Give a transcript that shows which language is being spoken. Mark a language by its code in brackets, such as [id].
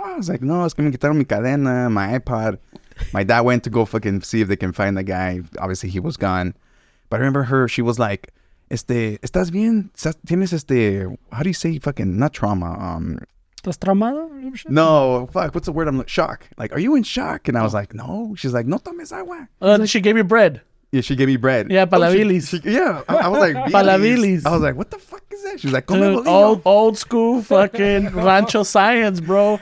[en] I was like, no, [es] es que me quitaron mi cadena, [en] my iPod. My dad went to go fucking see if they can find the guy. Obviously, he was gone. But I remember her, she was like, [es] ¿estás bien? ¿Tienes [en] how do you say fucking, not trauma? [es] ¿Estás traumado? [en] No, fuck, what's the word? I'm like, shock. Like, are you in shock? And I was like, no. She's like, [es] no tomes agua. [en] She gave you bread. Yeah, she gave me bread. Yeah, palabilis. Oh, I was like, [es] palabilis. [en] I was like, what the fuck is that? She's like, come on, old school fucking rancho science, bro.